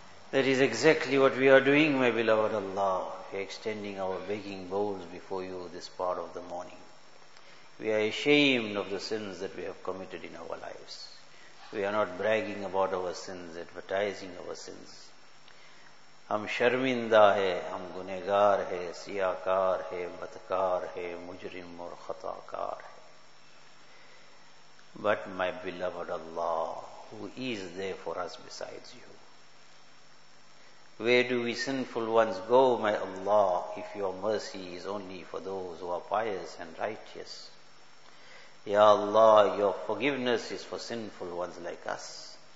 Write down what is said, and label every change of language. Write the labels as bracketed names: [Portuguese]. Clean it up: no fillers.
[English] That is exactly what we are doing, my beloved Allah. We are extending our begging bowls before you this part of the morning. We are ashamed of the sins that we have committed in our lives. We are not bragging about our sins, advertising our sins. [Urdu] ہم شرمندہ ہے، ہم گنہگار ہے، سیاہکار ہے، بدکار ہے، مجرم اور خطاکار ہے. [English] But my beloved Allah, who is there for us besides you? Where do we sinful ones go, my Allah, if your mercy is only for those who are pious and righteous? Ya Allah, your forgiveness is for sinful ones like us.